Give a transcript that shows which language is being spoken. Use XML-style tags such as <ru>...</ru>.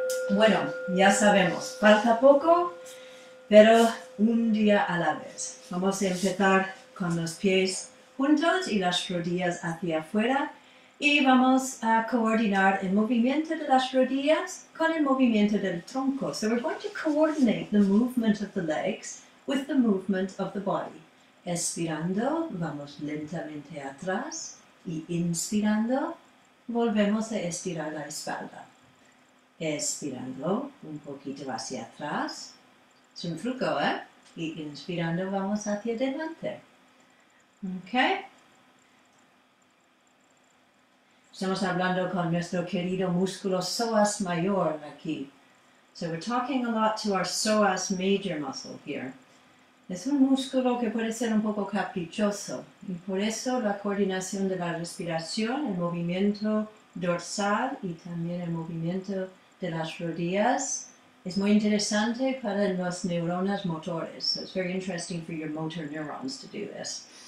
<es>Bueno, ya sabemos, falta poco, pero un día a la vez. Vamos a empezar con los pies juntos y las rodillas hacia afuera y vamos a coordinar el movimiento de las rodillas con el movimiento del tronco.</es> <en>So we're going to coordinate the movement of the legs with the movement of the body.</en> <es>Expirando, vamos lentamente atrás. Y inspirando, volvemos a estirar la espalda. Expirando, un poquito hacia atrás. Es un truco, ¿eh? Y inspirando, vamos hacia adelante. ¿Ok? Estamos hablando con nuestro querido músculo psoas mayor aquí.</es> <en>So we're talking a lot to our psoas major muscle here.</en> <es>Es un músculo que puede ser un poco caprichoso. Y por eso la coordinación de la respiración, el movimiento dorsal y también el movimiento de las rodillas es muy interesante para las neuronas motores.</es> <en>So it's very interesting for your motor neurons to do this.</en>